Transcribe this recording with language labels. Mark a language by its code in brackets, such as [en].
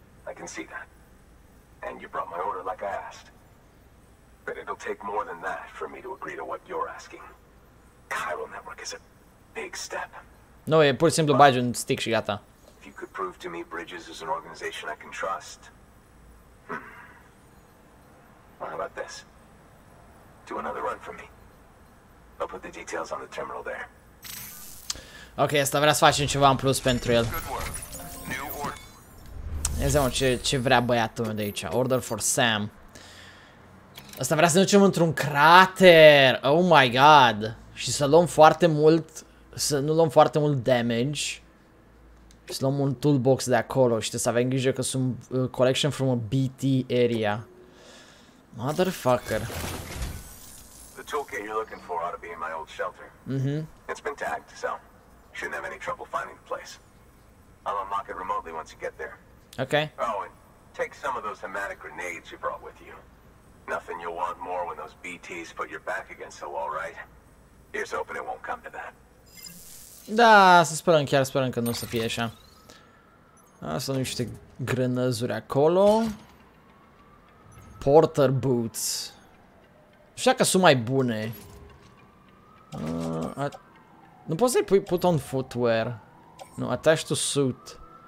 [en] I can see that. And you brought my order like I asked. But it'll take more than that for me to agree to what you're asking. Chiral Network is a big step. [ro] No, e pur și simplu bagi un stick și gata. [en] You could prove to me Bridges is an organization I can trust. How about this? Do another run for me. I'll put the details on the terminal there. [ro] Okay, asta vrea să facem ceva în plus pentru el. Ia zi, mă, ce vrea băiatul meu de aici. [en] Order for Sam. [ro] Asta vrea să ne ducem într-un crater. [en] Oh my god. [ro] Și să luăm foarte mult, să nu luăm foarte mult damage. Să luăm un toolbox de acolo și să avem grijă că sunt [en] collection from a BT area. Motherfucker. The toolkit you're looking for ought to be in my old shelter. Mm-hmm. It's been tagged, so shouldn't have any trouble finding the place. I'll unlock it remotely once you get there. Okay. Oh, and take some of those hematic grenades you brought with you. Nothing you'll want more when those BTs put your back against the wall, right? Here's hoping it won't come to that. [ro] Da, să sperăm, chiar sperăm că nu o să fie așa. Asta nu niște grănăzuri acolo. [en] Porter boots. [ro] Știa că sunt mai bune. Nu poți să-i pui [en] put on footwear. [ro] Nu, [en] attach to suit.